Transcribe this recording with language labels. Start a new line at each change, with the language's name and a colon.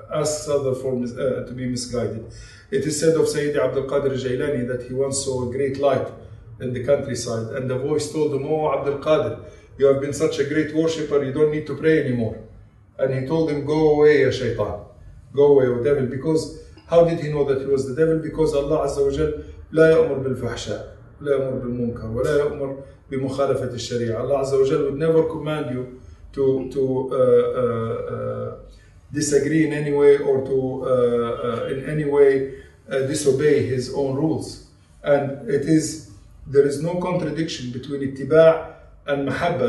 English: asks other for to be misguided. It is said of Sayyidi Abdul Qadir Jailani that he once saw a great light in the countryside, and the voice told him, "Oh Abdul Qadir, you have been such a great worshipper, you don't need to pray anymore." And he told him, "Go away, ya shaytan. Go away, O devil." Because how did he know that he was the devil? Because Allah Azza wa Jal,
Arabic: لا يأمر بالفحشاء, لا يأمر بالمنكر, ولا يأمر بمخالفة الشريعة.
English: Allah Azza wa Jal would never command you to disagree in any way or to disobey his own rules. And there is no contradiction between ittiba' and mahabba.